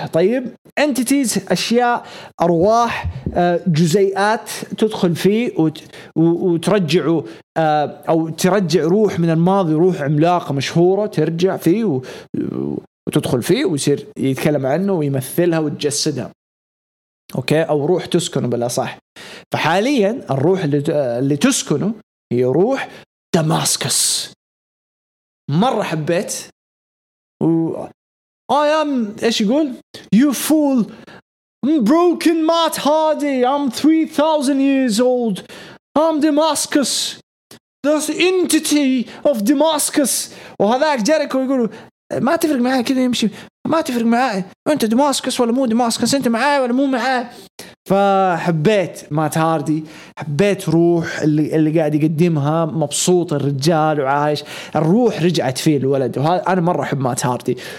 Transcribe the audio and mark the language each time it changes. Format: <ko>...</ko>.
<ar>طيب entities أشياء أرواح جزيئات تدخل فيه وترجع أو ترجع روح من الماضي, روح عملاقة مشهورة ترجع فيه وتدخل فيه ويصير يتكلم عنه ويمثلها وتجسدها. أوكي أو روح تسكنه بلا صح. فحاليا الروح اللي تسكنه هي روح دماسكس. مرة حبيت</ar> <en>I am</en> <ar>إيش يقول</ar> <en>you fool broken Matt Hardy I'm 3000 years old I'm Damascus the entity of Damascus.</en> <ar>وهذاك جيريكو يقول ما تفرق معاه كذا يمشي, ما تفرق معاه أنت دماسكس ولا مو دماسكس, أنت معاه ولا مو معاه. فحبيت مات هاردي, حبيت روح اللي قاعد يقدمها, مبسوط الرجال وعايش, الروح رجعت فيه الولد, وهذا أنا مرة أحب مات هاردي.</ar>